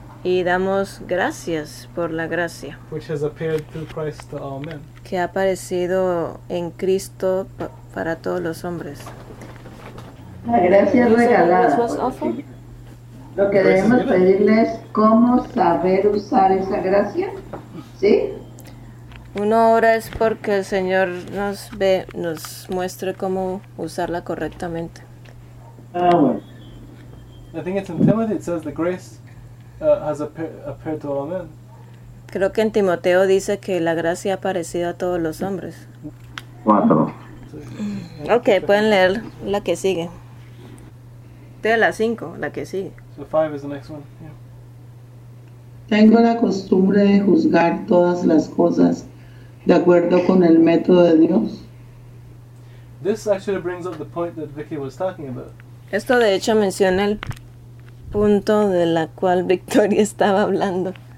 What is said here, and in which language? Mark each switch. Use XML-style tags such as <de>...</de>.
<es>Y damos gracias por la gracia</es> <en>which has appeared through Christ to all men.</en> <es>que ha aparecido en Cristo para todos los hombres. La gracia es regalada. Lo que</es> <en>Grace is</en> <es>debemos</es> <en>given.</en> <es>pedirle es cómo saber usar esa gracia. ¿Sí? Uno ora es porque el Señor nos ve, nos muestre cómo usarla correctamente. Bueno.</es> <en>I think it's in Timothy, it says the grace has appeared to all men.</en> <es>Creo que en Timoteo dice que la gracia ha aparecido a todos los hombres. Cuatro. Ok, pueden leer la que sigue. De la cinco, la que sigue.</es> <en>So five is the next one. Yeah.</en> <es>Tengo la costumbre de juzgar todas las cosas de acuerdo con el método de Dios.</es> <en>This actually brings up the point that Vicky was talking about.</en> <es>Esto de hecho menciona el punto de la cual Victoria estaba hablando.</es>